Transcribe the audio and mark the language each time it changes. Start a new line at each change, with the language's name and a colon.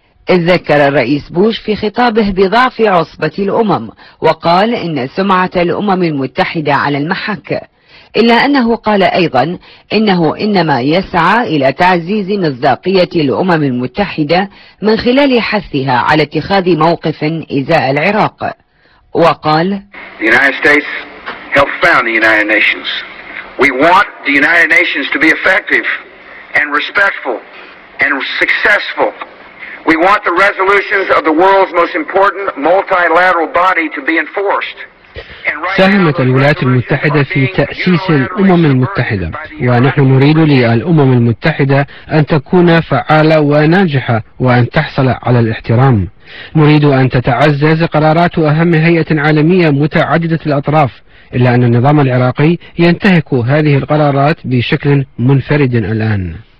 Arabic: ذكر الرئيس بوش في خطابه بضعف عصبة الأمم وقال إن سمعة الأمم المتحدة على المحك، إلا أنه قال أيضا إنه إنما يسعى إلى تعزيز مصداقية الأمم المتحدة من خلال حثها على اتخاذ موقف إزاء العراق. وقال
English: The United States helped found the United Nations. We want the United Nations to be effective and respectful and successful. We want the resolutions of the world's most important multilateral body to be enforced.
Arabic: ساهمت الولايات المتحدة في تأسيس الأمم المتحدة، ونحن نريد للأمم المتحدة أن تكون فعالة وناجحة وأن تحصل على الاحترام. نريد أن تتعزز قرارات أهم هيئة عالمية متعددة الأطراف، إلا أن النظام العراقي ينتهك هذه القرارات بشكل منفرد الآن.